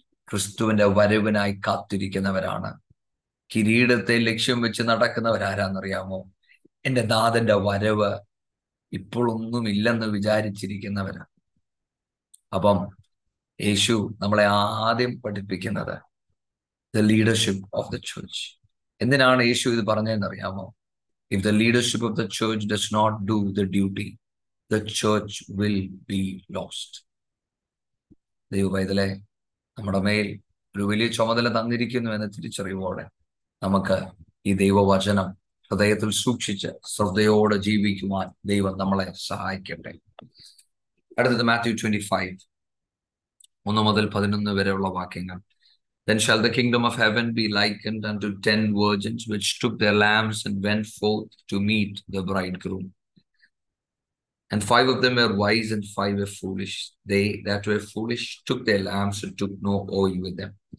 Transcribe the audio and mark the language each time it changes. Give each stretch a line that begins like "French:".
Malayalam: ക്രിസ്തുവിൻ്റെ വരവിനായി കാത്തിരിക്കുന്നവരാണ്. കിരീടത്തെ ലക്ഷ്യം വെച്ച് നടക്കുന്നവർ ആരാന്നറിയാമോ? എൻ്റെ നാഥൻ്റെ വരവ് ഇപ്പോഴൊന്നുമില്ലെന്ന് വിചാരിച്ചിരിക്കുന്നവരാണ്. അപ്പം യേശു നമ്മളെ ആദ്യം പഠിപ്പിക്കുന്നത്
English: The leadership of the church.
Malayalam: എന്തിനാണ് യേശു ഇത് പറഞ്ഞതെന്നറിയാമോ?
English: If the leadership of the church does not do the duty, the church will be lost.
Malayalam: ദൈവവൈതലെ, നമ്മുടെ മേൽ ഒരു വലിയ ചുമതല തന്നിരിക്കുന്നു എന്ന തിരിച്ചറിവോടെ നമുക്ക് ഈ ദൈവവചനം ഹൃദയത്തിൽ സൂക്ഷിച്ച് ശ്രദ്ധയോടെ ജീവിക്കുവാൻ ദൈവം നമ്മളെ സഹായിക്കട്ടെ. അടുത്തത് Matthew 25 3-11 വരെയുള്ള വാക്യങ്ങൾ.
English: Then shall the kingdom of heaven be likened unto 10 virgins which took their lamps and went forth to meet the bridegroom. And 5 of them were wise and 5 were foolish. They that were foolish took their lamps and took no oil with them.